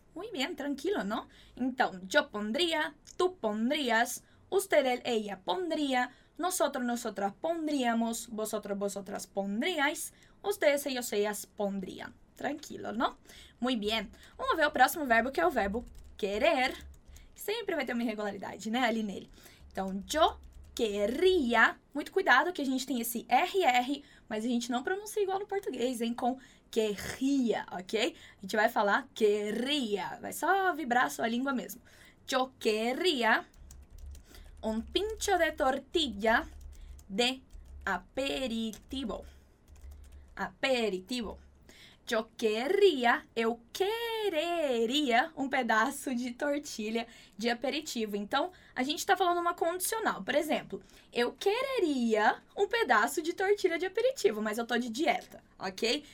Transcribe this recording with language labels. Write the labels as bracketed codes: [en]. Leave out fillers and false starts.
[es] Muy bien, tranquilo, ¿no? Entonces, yo pondría, tú pondrías, usted, él, ella pondría, nosotros, nosotras pondríamos, vosotros, vosotras pondríais, ustedes, ellos, ellas pondrían. Tranquilo, ¿no? Muy bien. [pt] Vamos ver o próximo verbo, que é o verbo querer. Sempre vai ter uma irregularidade, né, ali nele. Então, [es] yo querría, [pt] muito cuidado que a gente tem esse RR, mas a gente não pronuncia igual no português, hein, com querría, ok? A gente vai falar querría, vai só vibrar a sua língua mesmo. [es] Yo querría un pincho de tortilla de aperitivo. Aperitivo. Yo querría, [pt] eu quereria um pedaço de tortilha de aperitivo. Então, a gente está falando uma condicional. Por exemplo, eu quereria um pedaço de tortilha de aperitivo, mas eu estou de dieta, ok?